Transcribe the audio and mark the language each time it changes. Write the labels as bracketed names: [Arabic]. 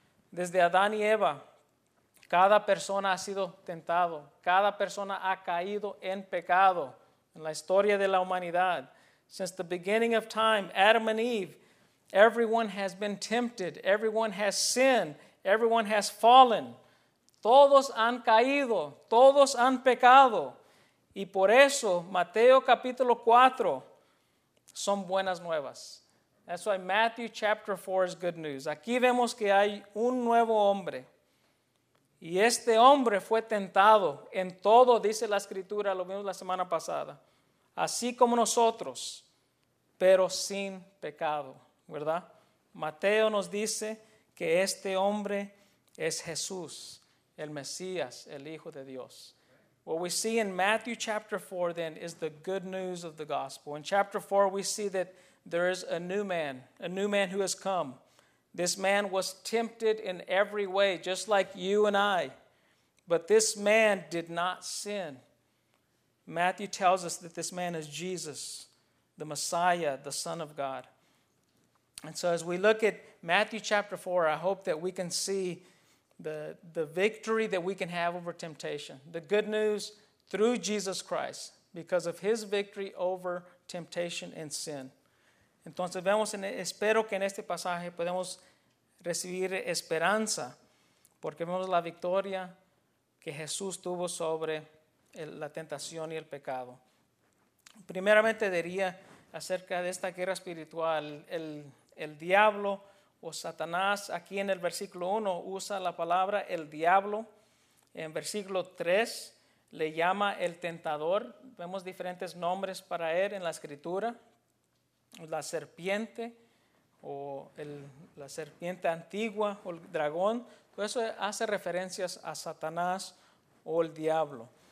[Spanish] Desde Adán y Eva, cada persona ha sido tentado, cada persona ha caído en pecado en la historia de la humanidad. [English] Since the beginning of time, Adam and Eve, everyone has been tempted, everyone has sinned, everyone has fallen. [Spanish] Todos han caído, todos han pecado. Y por eso, Mateo capítulo 4, son buenas nuevas. [English] That's why Matthew chapter 4 is good news. [Spanish] Aquí vemos que hay un nuevo hombre. Y este hombre fue tentado en todo, dice la Escritura, lo vimos la semana pasada, así como nosotros, pero sin pecado, ¿verdad? Mateo nos dice que este hombre es Jesús, el Mesías, el Hijo de Dios. [English] What we see in Matthew chapter 4 then is the good news of the gospel. In chapter 4 we see that there is a new man who has come. This man was tempted in every way, just like you and I. But this man did not sin. Matthew tells us that this man is Jesus, the Messiah, the Son of God. And so as we look at Matthew chapter 4, I hope that we can see the victory that we can have over temptation. The good news through Jesus Christ, because of his victory over temptation and sin. [Spanish] Entonces vemos, espero que en este pasaje podamos recibir esperanza, porque vemos la victoria que Jesús tuvo sobre la tentación y el pecado. Primeramente diría acerca de esta guerra espiritual, el diablo o Satanás, aquí en el versículo 1 usa la palabra el diablo, en versículo 3 le llama el tentador, vemos diferentes nombres para él en la escritura, la serpiente o la serpiente antigua o el dragón, todo eso hace referencias a Satanás o el diablo.